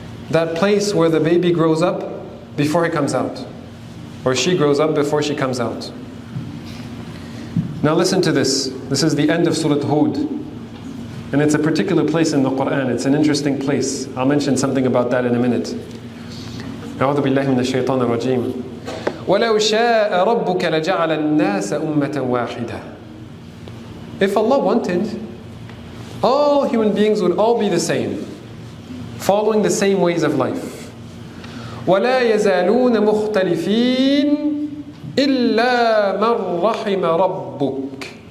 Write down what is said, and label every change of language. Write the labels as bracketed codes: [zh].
[en] That place where the baby grows up before he comes out, or she grows up before she comes out. Now listen to this. This is the end of Surah Hud, and it's a particular place in the Quran. It's an interesting place. I'll mention something about that in a minute. [ar] أعوذ بالله من الشيطان الرجيم. وَلَوْ شَاءَ رَبُّكَ لَجَعَلَ النَّاسَ أُمَّةً وَاحِدَةً. [en] If Allah wanted, all human beings would all be the same, following the same ways of life. [ar] وَلَا يَزَالُونَ مُخْتَلِفِينَ إِلَّا مَنْ رَحِمَ رَبُّكَ.